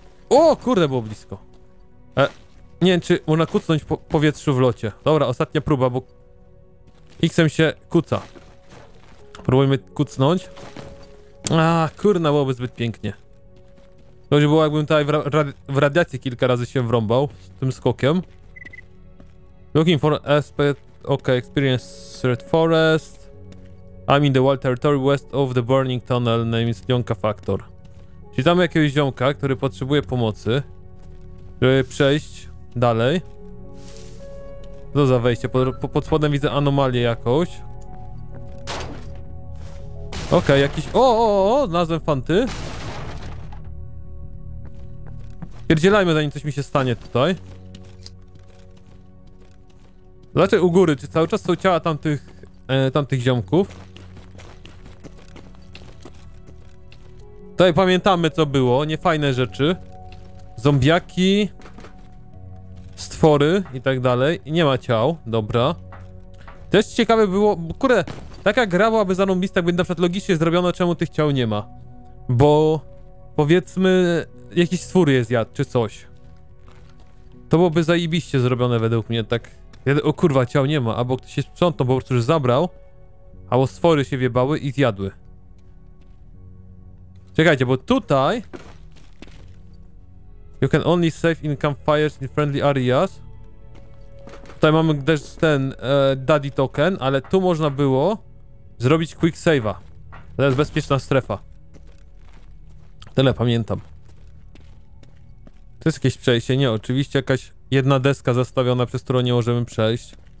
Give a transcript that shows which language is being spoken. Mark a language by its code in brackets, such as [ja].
[pl] O, kurde, było blisko. Nie wiem, czy można kucnąć po powietrzu w locie. Dobra, ostatnia próba, bo... X-em się kuca. Próbujmy kucnąć. A, kurna, byłoby zbyt pięknie. To już było, jakbym tutaj w radiacji kilka razy się wrąbał z tym skokiem. [en] Looking for aspect... Ok, experience Red Forest. I'm in the wild territory west of the burning tunnel named Jonka Factor. [pl] Czyli tam jakiegoś ziomka, który potrzebuje pomocy, żeby przejść dalej. Co za wejście? Pod spodem widzę anomalię jakąś. Okej, jakiś... O, znalazłem fanty. Pierdzielajmy, zanim coś mi się stanie tutaj. Znaczy u góry, czy cały czas są ciała tamtych ziomków? Tutaj pamiętamy, co było. Niefajne rzeczy. Zombiaki. Stwory i tak dalej. I nie ma ciał. Dobra. Też ciekawe było, bo kurde, taka gra byłaby zarąbista, jakby na przykład logicznie zrobiono, czemu tych ciał nie ma. Bo powiedzmy, jakiś stwór jest jadł, czy coś. To byłoby zajebiście zrobione według mnie, tak. O kurwa, ciał nie ma. Albo ktoś się sprzątnął, po prostu już zabrał. Albo stwory się wjebały i zjadły. Czekajcie, bo tutaj... [en] You can only save in campfires in friendly areas. [pl] Tutaj mamy też ten daddy token, ale tu można było zrobić quick save'a. To jest bezpieczna strefa. Tyle pamiętam. To jest jakieś przejście? Nie, oczywiście jakaś jedna deska zastawiona, przez którą nie możemy przejść.